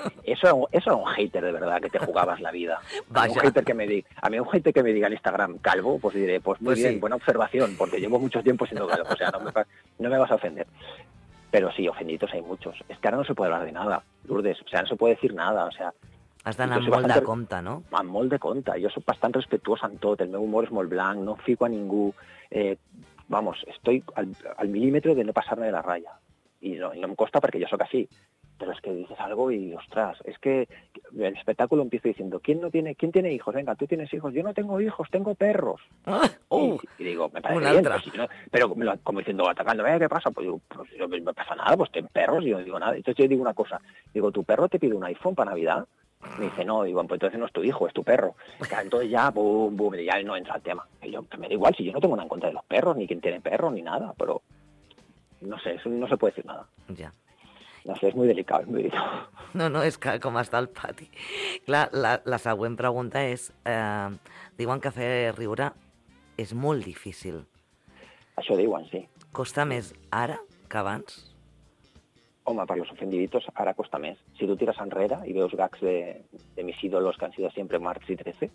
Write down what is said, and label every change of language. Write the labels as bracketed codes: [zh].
[es] Eso era un hater de verdad, que te jugabas la vida. Vaya. A mí un hater que me diga en Instagram calvo, pues diré, pues muy bien, sí. Buena observación, porque llevo mucho tiempo siendo calvo, o sea, no me vas a ofender. Pero sí, ofendidos hay muchos. Es que ahora no se puede hablar de nada, Lourdes, o sea, no se puede decir nada, o sea... [ca] Has d'anar amb molt de compte, no? Amb molt de compte. Jo soc bastant respectuós en tot. El meu humor és molt blanc, no fico a ningú. [es] Vamos, estoy al [ca] milímetre de no passar-me [es] de la raya. [ca] I no em costa perquè jo soc així. Però és que [es] dices algo i, ostras, és que el espectáculo empiezo diciendo ¿Quién tiene hijos? Venga, ¿tú tienes hijos? Yo no tengo hijos, tengo perros. Y digo, me parece bien. Pero como diciendo, atacándome, ¿qué pasa? Pues digo, pues no me pasa nada, pues ten perros. Y yo no digo nada. Entonces yo digo una cosa. Digo, ¿tu perro te pide un iPhone para Navidad? Me dice, no, digo, pues entonces no es tu hijo, es tu perro. Entonces ya, boom, boom, ya no entra el tema. Y yo, que me da igual, si yo no tengo nada en contra de los perros, ni quien tiene perros, ni nada, pero no sé, eso no se puede decir nada. Ya. No sé, es muy delicado, es muy delicado. [ca] No, es que com està el pati. Clar, la següent pregunta és, diuen que fer riure és molt difícil. Això diuen, sí. Costa més ara que abans? Home, [es] per los ofendiditos [ca] ara costa més. Si tu tires enrere i veus gags de [es] mis ídolos que han sido siempre [ca] Marx y 13...